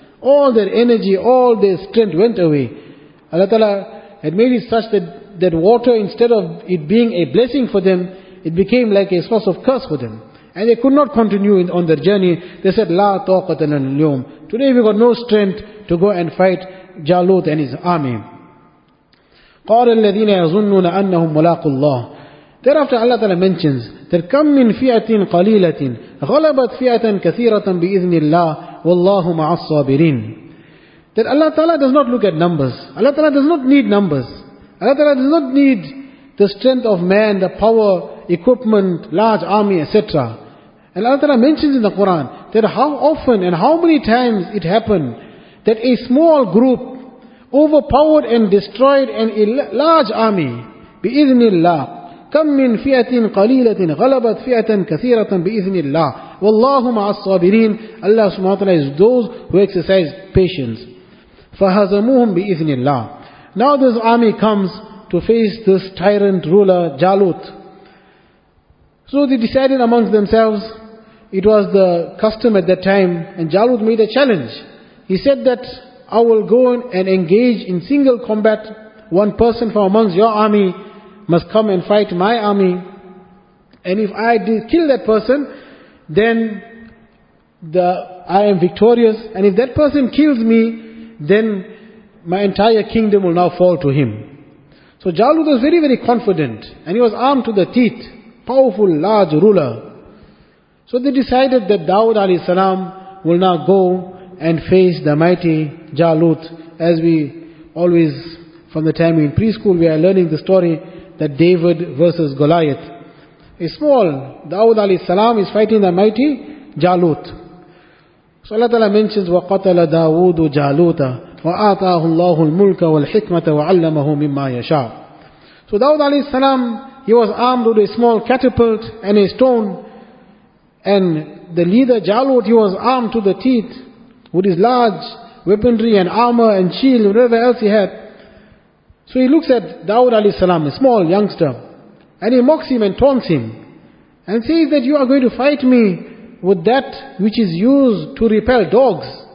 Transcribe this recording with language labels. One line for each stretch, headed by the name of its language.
English: All their energy, all their strength went away. Allah Ta'ala had made it such that that water, instead of it being a blessing for them, it became like a source of curse for them. And they could not continue on their journey. They said,
Arabic: لَا طَاقَةَ لَنَا الْيَوْمَ,
English: today we got no strength to go and fight Jalut and his army.
Arabic: قَالَ الَّذِينَ يَظُنُّونَ أَنَّهُمْ مُلَاقُوا اللَّهِ,
English: thereafter Allah Ta'ala mentions that
Arabic: كَمْ مِنْ فِيَةٍ قَلِيلَةٍ غَلَبَتْ فِيَةً كَثِيرَةً بِإِذْنِ اللَّهِ وَاللَّهُ مَعَ الصَّابِرِينَ,
English: that Allah Ta'ala does not look at numbers. Allah Ta'ala does not need numbers. Allah Ta'ala does not need the strength of man, the power, equipment, large army, etc. And Allah Ta'ala mentions in the Quran that how often and how many times it happened that a small group overpowered and destroyed an large army.
Arabic: بِإِذْنِ اللَّهِ كَمْ مِنْ فِيَةٍ قَلِيلَةٍ غَلَبَتْ فِيَةً كَثِيرَةً بِإِذْنِ اللَّهِ وَاللَّهُ مَعَ الصَّابِرِينَ,
English: Allah subhanahu wa ta'ala is those who exercise patience.
Arabic: فَهَزَمُوهُمْ بِإِذْنِ اللَّهِ,
English: now this army comes to face this tyrant ruler Jalut. So they decided amongst themselves, it was the custom at that time, and Jalut made a challenge. He said that, I will go and engage in single combat. One person from amongst your army must come and fight my army. And if I kill that person, then I am victorious. And if that person kills me, then my entire kingdom will now fall to him. So Jalut was very, very confident. And he was armed to the teeth. Powerful, large ruler. So they decided that Dawud alayhi salam will now go and face the mighty Jalut, as we always, from the time in preschool, we are learning the story that David versus Goliath. A small Dawud alayhi salam is fighting the mighty Jalut. So Allah Ta'ala mentions,
Arabic: وَقَتَلَ دَاوُودُ جَالُوتَ وَآتَاهُ اللَّهُ الْمُلْكَ وَالْحِكْمَةَ وَعَلَّمَهُ مِمَّا يَشَاءُ.
English: So Dawud alayhi salam, he was armed with a small catapult and a stone, and the leader Jalut, he was armed to the teeth with his large weaponry and armor and shield, whatever else he had. So he looks at Dawud alayhi salam, a small youngster, and he mocks him and taunts him, and says that you are going to fight me with that which is used to repel dogs.